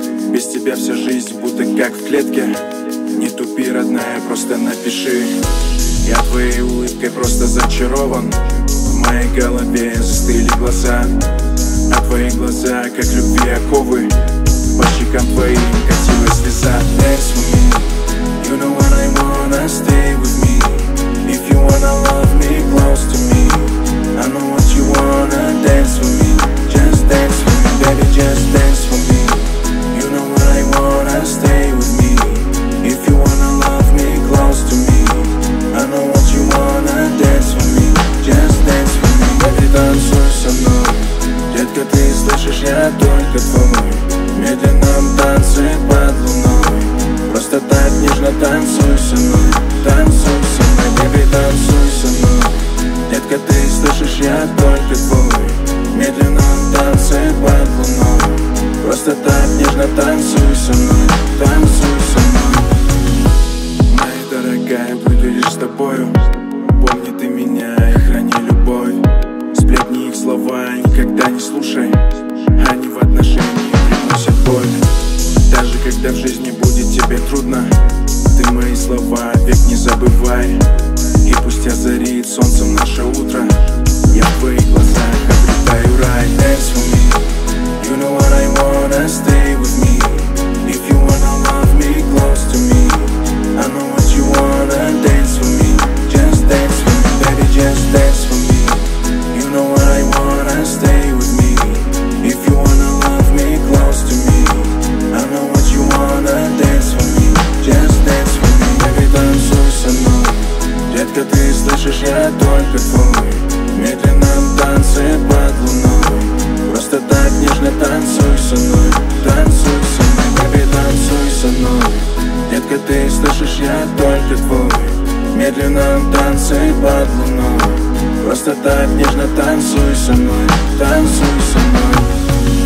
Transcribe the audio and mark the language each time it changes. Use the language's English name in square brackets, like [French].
[Russian] Без тебя вся жизнь будто как в клетке. Не тупи, родная, просто напиши. Я твоей улыбкой просто зачарован. В моей голове застыли глаза. А твои глаза, как любви оковы. По щекам твоим катилась слеза. [English] Dance with me. You know what I wanna, stay with me. If you wanna love me, close to me. I know what you wanna, dance with me. Just dance with me, baby, just dance with me. You know what I wanna, stay with me. If you wanna love me, close to me. I know what you wanna, dance with me. Just dance with me, baby, [Russian] танцуй со мной. Детка, ты слышишь, я только твой. Медленно танцуй под луной. Просто так нежно танцуй со мной. Танцуй со мной, baby, танцуй со мной. Детка, ты слышишь, я только твой. Медленно танцуй под луной. Просто так нежно танцуй со мной. Танцуй со мной. Моя дорогая, буду лишь с тобою. Помни ты меня и храни любовь. Сплетни их слова, никогда не слушай. Они в отношении приносят боль. Даже когда в жизни будет тебе трудно, ты мои слова век не забывай. И пусть озарит солнцем наше утро, я в твоих глазах обретаю рай. [English] Dance with me. You know what I wanna, stay with me. If you wanna love me, close to me. I know what you wanna, dance with me. Just dance with me, baby, just dance with me. You know what I wanna, stay with me. If you wanna love me, close to me. I know what you wanna, dance with me. Just dance with me, baby, [Russian] танцуй со мной. Детка, ты слышишь, я только твой. Медленно танцы под луной. Просто так нежно танцуй со мной. Танцуй со мной, baby, танцуй со мной. Детка, ты слышишь, я только твой. Медленно танцы под луной. Просто так нежно танцуй со мной. Танцуй со мной.